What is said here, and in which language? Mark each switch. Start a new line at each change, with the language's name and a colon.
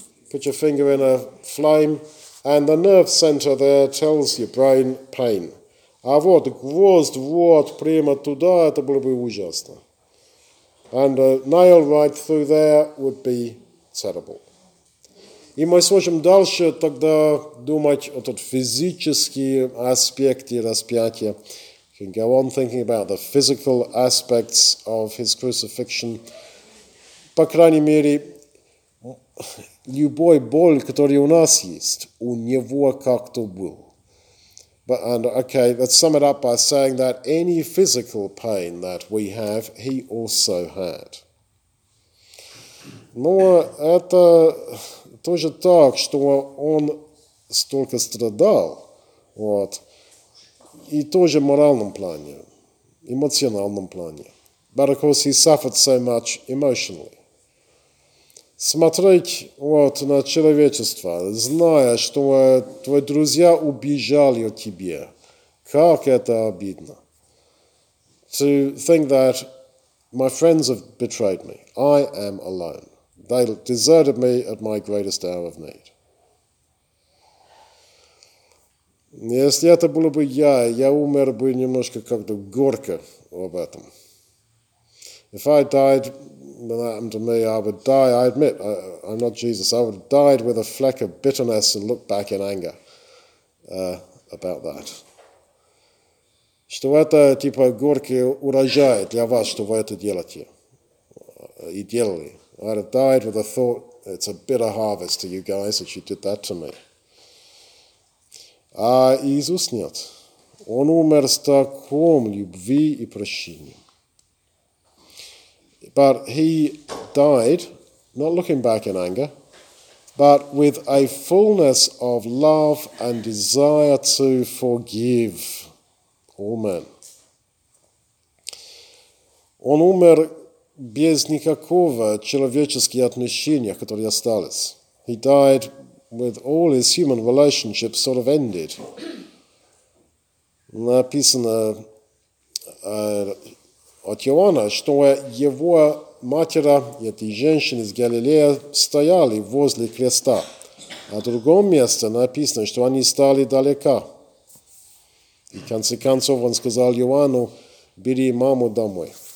English: Put your finger in a flame, and the nerve center there tells your brain pain.
Russian: А вот гвоздь вот прямо туда, это было бы ужасно.
English: And a nail right through there would be terrible.
Russian: И мы сможем дальше тогда думать о тот физический аспект распятия.
English: We can go on thinking about the physical aspects of his crucifixion.
Russian: По крайней мере, любой боль, который у нас есть, у него как-то был.
English: But and okay, let's sum it up by saying that any physical pain that we have, he also had.
Russian: Но это тоже так, что он столько страдал, вот, и тоже в моральном плане, эмоциональном плане.
English: But of course, he suffered so much emotionally.
Russian: Смотреть вот на человечество, зная, что твои друзья убежали от тебя. Как это обидно.
English: To think that my friends have betrayed me. I am alone. They deserted me at my greatest hour of need.
Russian: Если это было бы я умер бы немножко как-то горько об этом.
English: If I died, when that happened to me, I would die. I admit, I'm not Jesus. I would have died with a fleck of bitterness and look back in anger about that.
Russian: Что это типа горький урожай для вас, что вы это делаете и делали?
English: I'd have died with a thought. It's a bitter harvest to you guys that you did that to me.
Russian: А Иисус нет. Он умер с таком любви и прощением.
English: But he died, not looking back in anger, but with a fullness of love and desire to forgive all men.
Russian: Он умер без никакого человеческого отношения, которые остались.
English: He died with all his human relationships sort of ended.
Russian: Написано от Иоанна, что его матери, этой женщины из Галилеи, стояли возле креста. А в другом месте написано, что они стали далеко. И в конце концов он сказал Иоанну, бери маму домой.